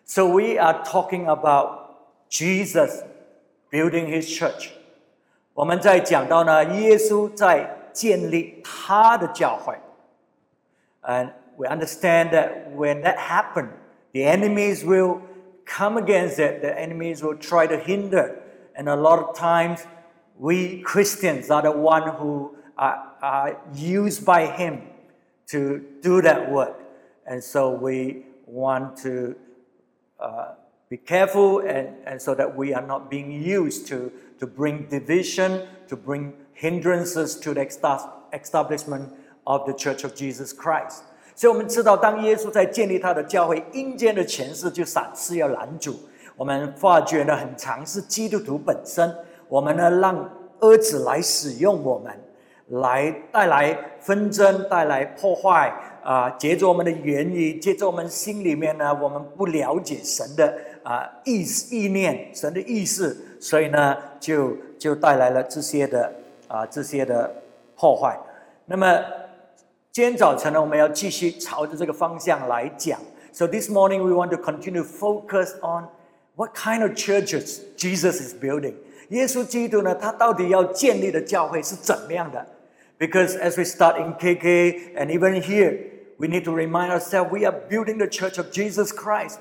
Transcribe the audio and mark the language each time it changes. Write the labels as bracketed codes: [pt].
[en] So we are talking about Jesus building his church. [zh] 我们在讲到呢，耶稣在建立他的教会。 [en] And we understand that when that happened, the enemies will come against it. The enemies will try to hinder. And a lot of times, we Christians are the one who are used by him to do that work. And so we want to be careful and so that we are not being used to bring division, to bring hindrances to the establishment of the Church of Jesus Christ. [zh] 所以我们知道当耶稣在建立他的教会阴间的权势就赏赐要拦阻我们发觉呢很常是基督徒本身我们呢让恶者来使用我们来带来纷争带来破坏藉着我们的言语藉着我们心里面呢我们不了解神的意念神的意思所以呢就带来了这些的破坏那么今天早晨呢，我们要继续朝着这个方向来讲。 [en] So this morning we want to continue focus on what kind of churches Jesus is building. [zh] 耶稣基督呢，他到底要建立的教会是怎么样的 [en] ？Because as we start in KK and even here, we need to remind ourselves we are building the Church of Jesus Christ.